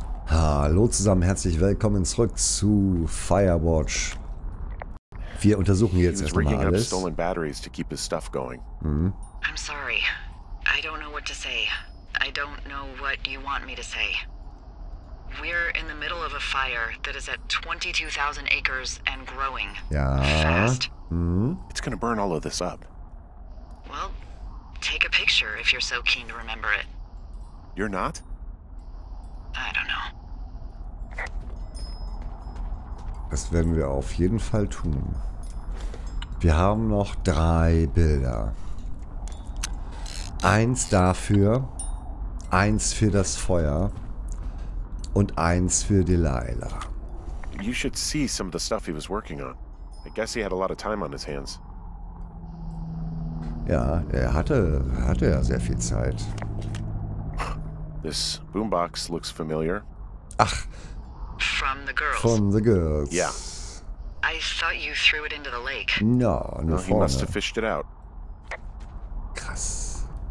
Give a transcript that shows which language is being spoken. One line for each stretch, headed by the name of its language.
German: Hallo zusammen, herzlich willkommen zurück zu Firewatch. Wir untersuchen jetzt erstmal alles.
English: Stolen batteries to keep his stuff going. I'm sorry. I don't know what to say. I don't know what you want me to say. We're in the middle of a fire that is at 22,000 acres and growing.
German: Ja.
English: Fast. It's gonna burn all of this up. Well, take a picture if you're so keen to remember it. You're not? I don't know.
German: Das werden wir auf jeden Fall tun. Wir haben noch drei Bilder. Eins dafür, eins für das Feuer und eins für Delilah.
English: You should see some of the stuff he was working on. I guess he had a lot of time on his hands.
German: Ja, er hatte ja sehr viel Zeit.
English: This boombox looks familiar.
German: Ach.
English: From the girls. From the girls. Yeah. I thought you threw it into the lake. No, no, he must have fished it out.
German: Krass.